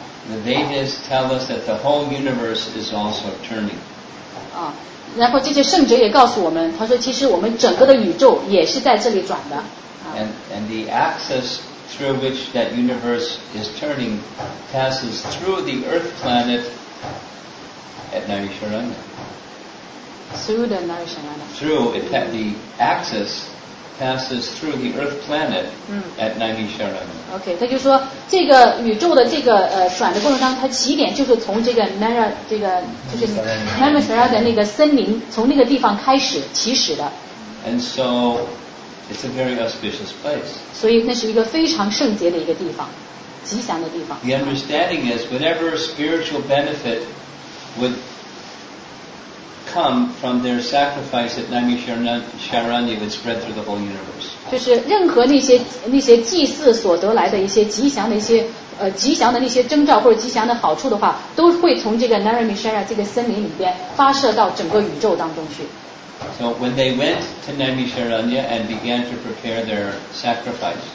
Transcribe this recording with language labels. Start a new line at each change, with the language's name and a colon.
English: The Vedas tell us that the whole universe is also turning.
Chinese: 啊，然后这些圣哲也告诉我们，他说其实我们整个的宇宙也是在这里转的。
English: And the axis through which that universe is turning passes through the Earth planet at Naimisharanya. Through the Naimisharanya. Through it, the axis passes through the Earth planet at Naimisharanya.
Chinese: OK, 他就说这个宇宙的这个转的过程当中，它起点就是从这个 Naimisharanya 的那个森林，从那个地方开始起始的。
English: And so it's a very auspicious place.
Chinese: 所以那是一个非常圣洁的一个地方，吉祥的地方。
English: The understanding is whatever spiritual benefit would come from their sacrifice at Naimisharanya would spread through the whole universe.
Chinese: 就是任何那些祭祀所得来的一些吉祥的一些吉祥的那些征兆或者吉祥的好处的话，都会从这个 Naimisharanya 这个森林里边发射到整个宇宙当中去。
English: So when they went to Naimisharanya and began to prepare their sacrifice,